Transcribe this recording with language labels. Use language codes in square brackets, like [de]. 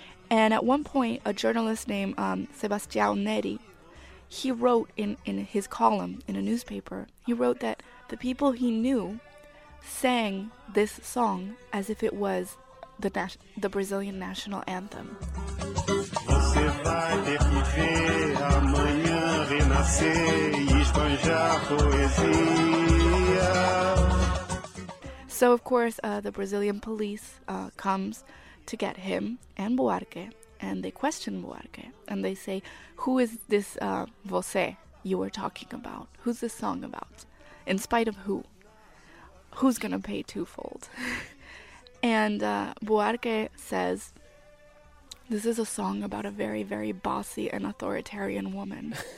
[en] And at one point, a journalist named Sebastião Neri, he wrote in his column in a newspaper, he wrote that the people he knew sang this song as if it was the Brazilian national anthem. [pt] Você vai ter que ver amanhã renascer e espanjar poesia. [en] So, of course, the Brazilian police comes to get him and Buarque, and they question Buarque, and they say, who is this você you were talking about? Who's this song about? In spite of who? Who's going to pay twofold? And Buarque says, this is a song about a very, very bossy and authoritarian woman.